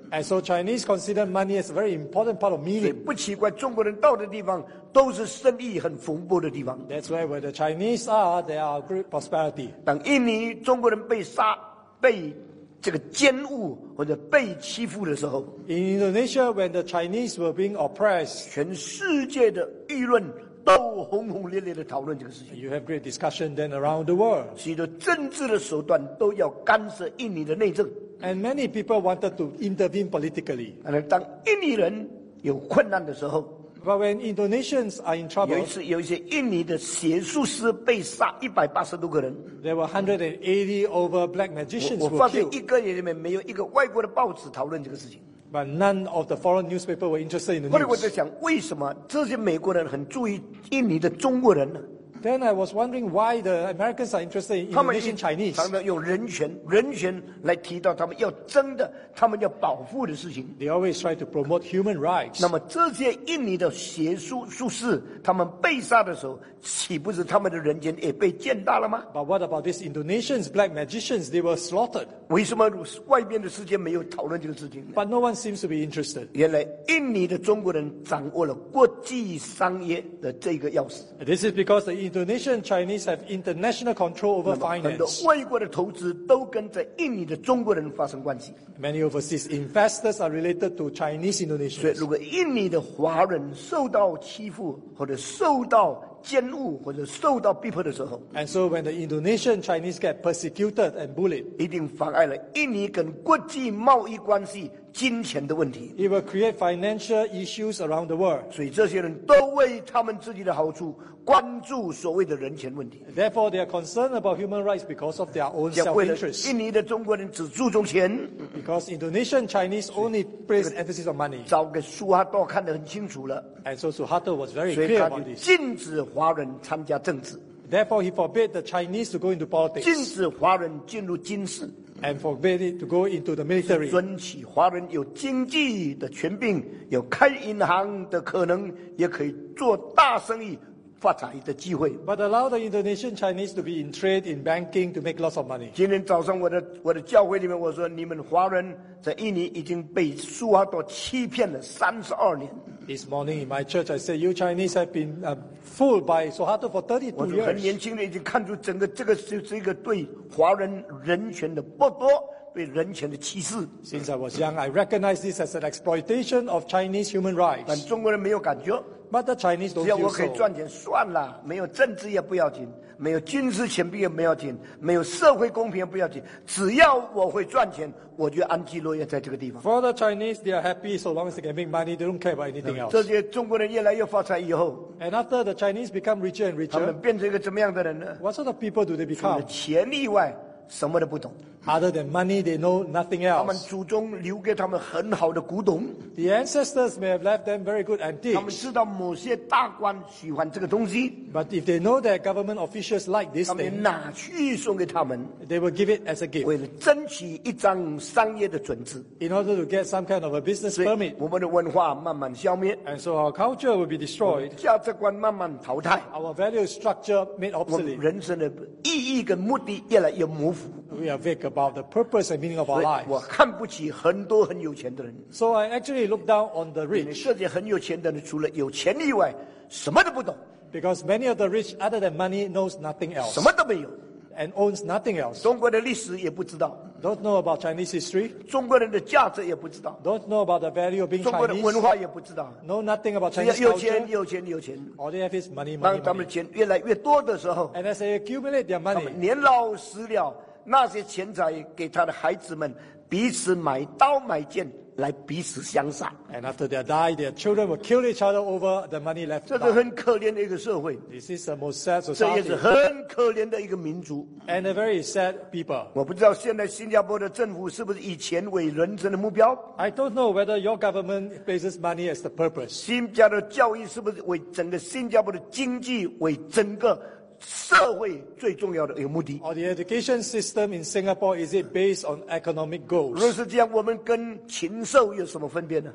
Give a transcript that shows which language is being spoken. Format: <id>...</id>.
<en>And so Chinese consider money as a very important part of meaning.</en> <zh>不奇怪中国人到的地方都是生意很蓬勃的地方。</zh> <en>That's where the Chinese are. There are great prosperity.</en> <zh>当印尼中国人被杀被这个奸污或者被欺负的时候</zh> <en>，In Indonesia, when the Chinese were being oppressed,</en> <zh>全世界的舆论都轰轰烈烈的讨论这个事情。</zh> <en>You have great discussion then around the world.</en> <zh>许多政治的手段都要干涉印尼的内政。</zh> <en>And many people wanted to intervene politically.</en> <zh>但是当印尼人有困难的时候</zh> <en>，But when Indonesians are in trouble,</en> <zh>有一次有一些印尼的邪术师被杀180多个人。</zh> <en>There were 180 over black magicians who were killed.</en> <zh>我发现一个月里面没有一个外国的报纸讨论这个事情。</zh> <en>But none of the foreign newspapers were interested in the news.</en> <zh>后来我在想，为什么这些美国人很注意印尼的中国人呢？</zh> <en>Then I was wondering why the Americans are interested in Indonesian Chinese.</en> <zh>他们常常用人权来提到他们要争的、他们要保护的事情。</zh> <en>They always try to promote human rights.</en> <zh>那么这些印尼的邪术术士，他们被杀的时候，岂不是他们的人权也被践踏了吗？</zh> <en>But what about these Indonesians, black magicians? They were slaughtered.</en> <zh>为什么外边的世界没有讨论这个事情？</zh> <en>But no one seems to be interested.</en> <zh>原来印尼的中国人掌握了国际商业的这个钥匙。</zh> <en>This is because the Indonesian Chinese have international control over finance.</en> <zh>很多外国的投资都跟在印尼的中国人发生关系。</zh> <en>Many overseas investors are related to Chinese Indonesians.</en> <zh>所以如果印尼的华人受到欺负或者受到奸污或者受到逼迫的时候</zh> <en>，And so when the Indonesian Chinese get persecuted and bullied,</en> <zh>一定妨碍了印尼跟国际贸易关系金钱的问题。</zh> <en>It will create financial issues around the world.</en> <zh>所以这些人都为他们自己的好处关注所谓的人权问题。</zh> <en>Therefore, they are concerned about human rights because of their own self-interest.</en> <zh>印尼的中国人只注重钱</zh> <en>，Because Indonesian Chinese only place emphasis on money.</en> <zh>找个苏哈多看得很清楚了</zh> <en>，And so Suharto was very clear about this.</en> <zh>禁止华人参加政治。</zh> <en>Therefore, he forbade the Chinese to go into politics.</en> <zh>禁止华人进入军事。</zh> <en>And forbid it to go into the military.</en> <zh>准许华人有经济的权柄，有开银行的可能，也可以做大生意。</zh> <en>But allow the Indonesian Chinese to be in trade, in banking, to make lots of money.</en> <zh>今天早上我的教会里面，我说你们华人在印尼已经被苏哈朵欺骗了32年。</zh> <en>This morning in my church, I said you Chinese have been fooled by Suharto for 32 years.</en> <zh>我很年轻的已经看出整个这个是一个对华人人权的剥夺。对人权的歧视。</zh> <en>Since I was young, I recognized this as an exploitation of Chinese human rights.</en> <zh>但中国人没有感觉。</zh> <en>But the Chinese don't feel so.</en> <zh>只要我可以赚钱，算了，没有政治也不要紧，没有军事权柄也不要紧，没有社会公平也不要紧，只要我会赚钱，我就安居乐业在这个地方。</zh> <en>For the Chinese, they are happy so long as they can make money. They don't care about anything else.</en> <zh>这些中国人越来越发财以后</zh> <en>，And after the Chinese become richer and richer,</en> <zh>他们变成一个怎么样的人呢</zh> <en>？What sort of people do they become?</en> <zh>除了钱以外。什么都不懂。</zh> <en>Other than money, they know nothing else.</en> <zh>他们祖宗留给他们很好的古董。</zh> <en>The ancestors may have left them very good antiques.</en> <zh>他们知道某些大官喜欢这个东西。</zh> <en>But if they know that government officials like this thing,</en> <zh>他们拿去送给他们。</zh> <en>They will give it as a gift.</en> <zh>为了争取一张商业的准字。</zh> <en>In order to get some kind of a business permit.</en> <zh>我们的文化慢慢消灭。</zh> <en>And so our culture will be destroyed.</en> <zh>价值观慢慢淘汰。</zh> <en>Our value structure made obsolete.</en> <zh>人生的意义跟目的越来越模糊。</zh> <en>We are vague about the purpose and meaning of our lives.</en> <zh>我看不起很多很有钱的人。</zh> <en>So I actually look down on the rich.</en> <zh>世界很有钱的人除了有钱以外，什么都不懂。</zh> <en>Because many of the rich, other than money, knows nothing else.</en> <zh>什么都没有。</zh> <en>And owns nothing else.</en> <zh>中国的历史也不知道。</zh> <en>Don't know about Chinese history.</en> <zh>中国人的价值也不知道。</zh> <en>Don't know about the value of being Chinese.</en> <zh>中国的文化也不知道。</zh> <en>Know nothing about Chinese culture.</en> <zh>有钱，有钱，有钱。</zh> <en>All they have is money, money, money.</en> <zh>当他们的钱越来越多的时候</zh> <en>，And as they accumulate their money,</en> <zh>他们年老时了。那些钱财给他的孩子们彼此买刀买剑来彼此相杀。</zh> <en>And after they die, their children will kill each other over the money left.</en> <zh>这是很可怜的一个社会。</zh> <en>This is the most sad society.</en> <zh>这也是很可怜的一个民族。</zh> <en>And a very sad people.</en> <zh>我不知道现在新加坡的政府是不是以钱为人生的目标。</zh> <en>I don't know whether your government places money as the purpose.</en> <zh>新加坡的教育是不是为整个新加坡的经济为整个？社会最重要的一个目的。</zh> <en>Or the education system in Singapore, is it based on economic goals?</en> <zh>如果是这样，我们跟禽兽有什么分别呢？</zh>